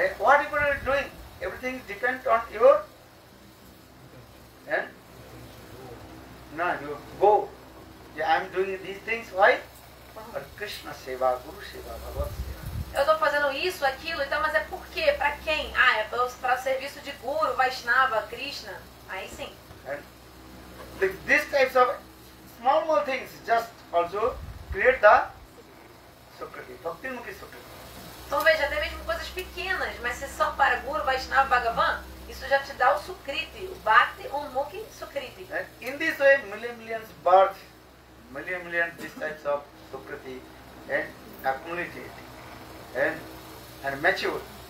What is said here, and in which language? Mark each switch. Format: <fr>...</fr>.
<en>What you are doing? Everything depends on your your go. I'm doing these things, why? For Krishna seva, Guru seva, Bhagavata seva.</en> <pt>Eu estou fazendo isso, aquilo, então, mas é por quê? Para quem? Ah, é para o serviço de Guru, Vaishnava, Krishna. Aí sim.</pt> <en>These types of small things just also create the Sukriti, Bhakti Mukhi Sukriti.</en> <pt>Então veja, até mesmo coisas pequenas, mas se são para Guru, Vaishnava, Bhagavan, isso já te dá o Sukriti, o Bhakti Mukhi Sukriti.</pt> <en>In this way, millions births, millions these types of Sukriti and accumulated and matured.</en>